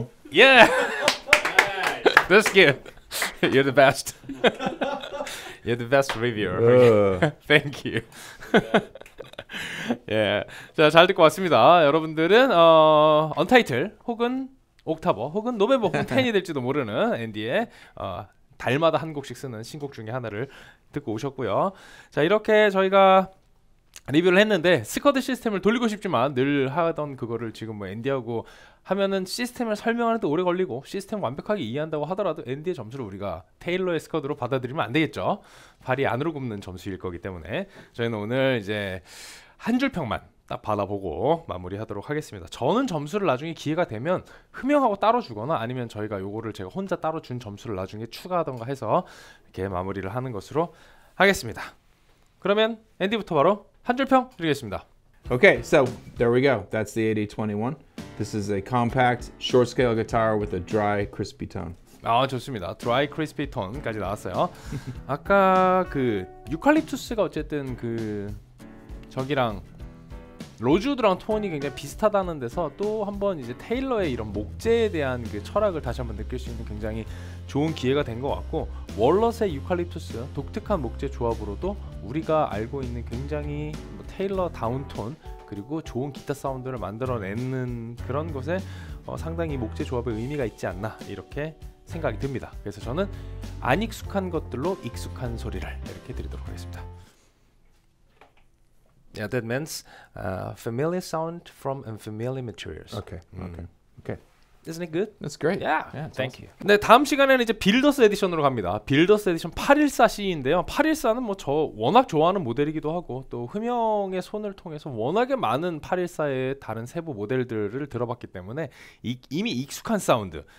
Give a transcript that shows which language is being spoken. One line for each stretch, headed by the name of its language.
English: Yeah, nice. That's good. You're the best. You're the best reviewer. Thank you.
Korean: 예, 자, 잘 듣고 왔습니다. 여러분들은 언타이틀 혹은 옥타버 혹은 노베버 혹은 텐이 될지도 모르는 앤디의 달마다 한 곡씩 쓰는 신곡 중에 하나를 듣고 오셨고요. 자, 이렇게 저희가 리뷰를 했는데 스쿼드 시스템을 돌리고 싶지만 늘 하던 그거를 지금 뭐 앤디하고 하면은 시스템을 설명하는데 오래 걸리고 시스템 완벽하게 이해한다고 하더라도 앤디의 점수를 우리가 테일러의 스쿼드로 받아들이면 안 되겠죠. 발이 안으로 굽는 점수일 거기 때문에 저희는 오늘 이제 한 줄평만 딱 받아보고 마무리하도록 하겠습니다. 저는 점수를 나중에 기회가 되면 흐명하고 따로 주거나 아니면 저희가 요거를 제가 혼자 따로 준 점수를 나중에 추가하던가 해서 이렇게 마무리를 하는 것으로 하겠습니다. 그러면 앤디부터 바로 한줄평 드리겠습니다.
English: Okay, so there we go. That's the 8021. This is a compact, short scale guitar with a dry, crispy tone.
Korean: 아, 좋습니다.
English: Dry, crispy tone
Korean: 까지 나왔어요. 아까 그 유칼립투스가 어쨌든 그 저기랑 로즈우드랑 톤이 굉장히 비슷하다는 데서 또 한번 이제 테일러의 이런 목재에 대한 그 철학을 다시 한번 느낄 수 있는 굉장히 좋은 기회가 된 것 같고 월럿의 유칼립투스 독특한 목재 조합으로도 우리가 알고 있는 굉장히 뭐 테일러 다운톤 그리고 좋은 기타 사운드를 만들어내는 그런 것에 상당히 목재 조합의 의미가 있지 않나 이렇게 생각이 듭니다. 그래서 저는 안 익숙한 것들로 익숙한 소리를 이렇게 드리도록 하겠습니다.
English: Yeah, that means familiar sound from unfamiliar materials. Okay, okay. Isn't it good? That's great. Yeah, yeah, thank awesome. you.
Korean: 네, 다음 시간에는 이제 빌더스 에디션으로 갑니다. 빌더스 에디션 814C인데요. 814는 뭐 저 워낙 좋아하는 모델이기도 하고 또 흠영의 손을 통해서 워낙에 많은 814의 다른 세부 모델들을 들어봤기 때문에 이미 익숙한 사운드.